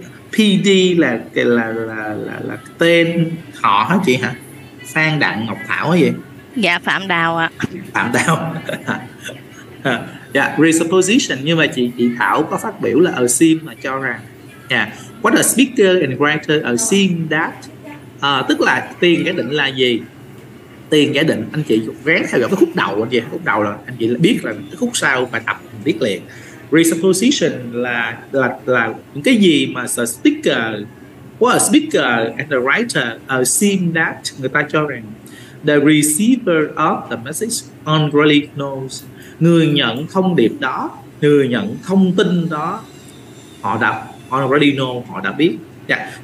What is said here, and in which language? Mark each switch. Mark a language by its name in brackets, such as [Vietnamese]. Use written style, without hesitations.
[Vietnamese] PD là tên họ hả chị hả? Phan Đặng Ngọc Thảo hay gì? Dạ, Phạm Đào ạ. Phạm Đào. Dạ, presupposition, nhưng mà chị Thảo có phát biểu là assume mà cho rằng. Dạ. Yeah. [English] What a speaker and writer assume that. [Vietnamese] Tức là tiền giả định là gì? Tiền giả định, anh chị ghé theo dõi cái khúc đầu anh chị. Khúc đầu là anh chị biết là khúc sau phải tập biết liền. presupposition là những cái gì mà the speaker, [English] what a speaker and the writer assume that [Vietnamese] người ta cho rằng [English] the receiver of the message already knows, [Vietnamese] người nhận thông điệp đó, người nhận thông tin đó, họ đã [English] already know, [Vietnamese] họ đã biết. Yeah.